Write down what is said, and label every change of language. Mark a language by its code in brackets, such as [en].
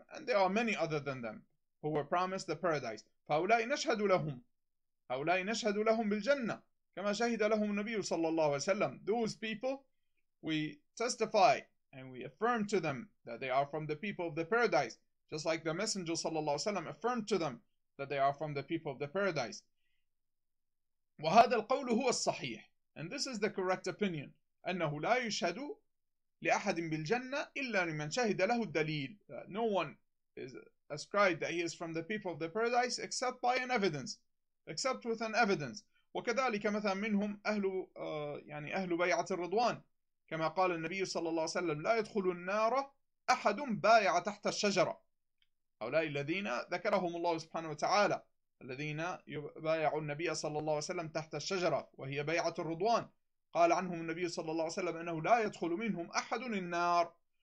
[en] And there are many other than them who were promised the paradise. [ar] فأولئي نشهد لهم. هؤلاء نشهد لهم بالجنة كما شهد لهم النبي صلى الله عليه وسلم. [en] Those people, we testify and we affirm to them that they are from the people of the paradise, just like the Messenger صلى الله عليه وسلم affirmed to them that they are from the people of the paradise. [ar] وهذا القول هو الصحيح. [en] And this is the correct opinion. [ar] أنه لا يشهد لأحد بالجنة إلا لمن شهد له الدليل. [en] No one is ascribed that he is from the people of the paradise except by an evidence. Except with an evidence. [ar] وكذلك مثلا منهم أهل يعني أهل بيعة الرضوان كما قال النبي صلى الله عليه وسلم لا يدخل النار أحد بايع تحت الشجرة. هؤلاء الذين ذكرهم الله سبحانه وتعالى الذين بايعوا النبي صلى الله عليه وسلم تحت الشجرة وهي بيعة الرضوان, قال عنهم النبي صلى الله عليه وسلم أنه لا يدخل منهم أحد النار.